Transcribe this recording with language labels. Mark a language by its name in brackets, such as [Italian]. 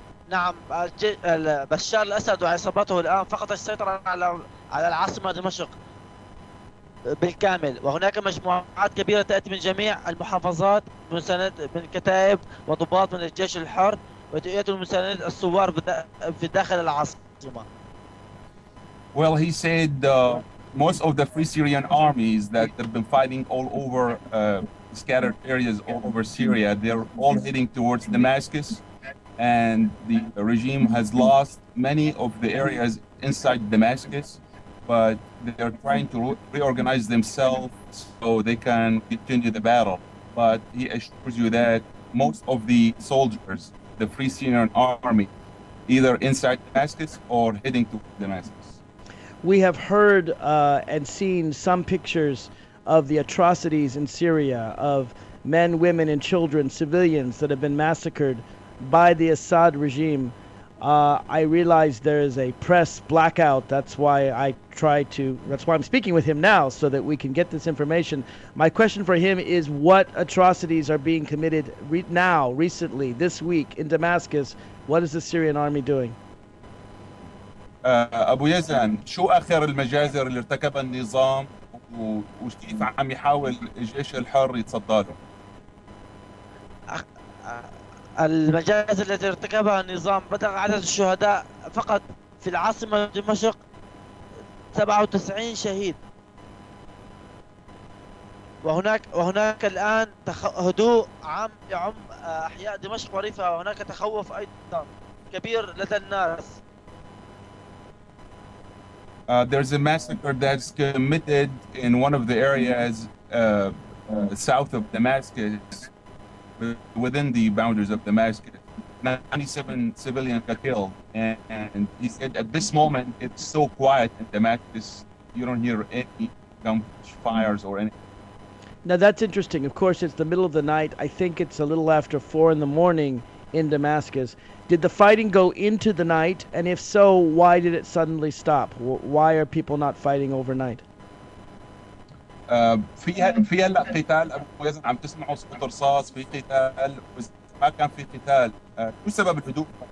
[Arabic] نعم بشار الأسد وعصابته الآن فقط السيطرة على العاصمة دمشق بالكامل وهناك مجموعات كبيرة تأتي من جميع المحافظات مساند من كتائب وضباط من الجيش الحر وتأتي مساند الثوار في داخل العاصمة. [English] Well, he said most of the Free Syrian armies that have been fighting all over scattered areas all over Syria, they're all heading towards Damascus, and the regime has lost many of the areas inside Damascus. But they are trying to reorganize themselves so they can continue the battle. But he assures you that most of the soldiers, the Free Syrian Army, either inside Damascus or heading to Damascus. We have heard and seen some pictures of the atrocities in Syria of men, women, and children, civilians that have been massacred by the Assad regime. I realize there is a press blackout. That's why I'm speaking with him now, so that we can get this information. My question for him is, what atrocities are being committed recently, this week, in Damascus? What is the Syrian army doing? [Arabic] أبو يزن، شو آخر المجازر اللي ارتكبها النظام وكيف عم يحاول الجيش الحر يتصدى له؟ المجازر التي ارتكبها النظام، بلغ عدد الشهداء فقط في العاصمة دمشق 97 شهيد، وهناك الآن هدوء عام لعم أحياء دمشق وريفة، وهناك تخوف أيضا كبير لدى الناس. [English] There's a massacre that's committed in one of the areas south of Damascus, within the boundaries of Damascus. 97 civilians are killed, and he said at this moment it's so quiet in Damascus, you don't hear any gunfires or anything. Now that's interesting. Of course, it's the middle of the night. I think it's a little after 4 in the morning in Damascus. Did the fighting go into the night? And if so, why did it suddenly stop? Why are people not fighting overnight? [Arabic] في هلا قتال ابو يزن عم تسمعوا صوت رصاص في قتال بس ما كان في قتال شو سبب الهدوء